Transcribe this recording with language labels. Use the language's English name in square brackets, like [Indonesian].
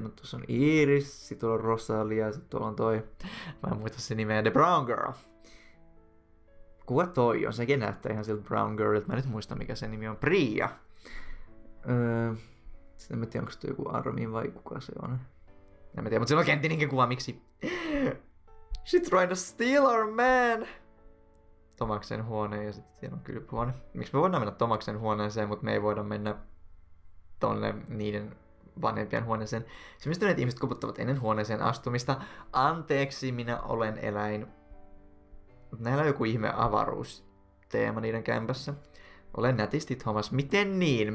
[Finnish] No tuossa on Iris, sit tuolla on Rosalia, sit tuolla on toi. Mä en muista sen nimeä, The Brown Girl. Kuka toi on? Sekin näyttää ihan siltä Brown Girl, mä en nyt muista mikä sen nimi on. Priya! Sitten mä en tiedä, onko toi joku Armin vai kuka se on. En mä tiedä, mutta se on Kentininkin kuva, miksi? [English] She trying to steal our man! [Finnish] Tomaksen huone ja sitten siinä on kylpyhuone. Miksi me voidaan mennä Tomaksen huoneeseen, mutta me ei voida mennä tonne niiden vanhempien huoneeseen? Sivistyneet ihmiset kuputtavat ennen huoneeseen astumista. Anteeksi, minä olen eläin. Näillä on joku ihme avaruusteema niiden kämpässä. Olen nätisti Thomas. Miten niin?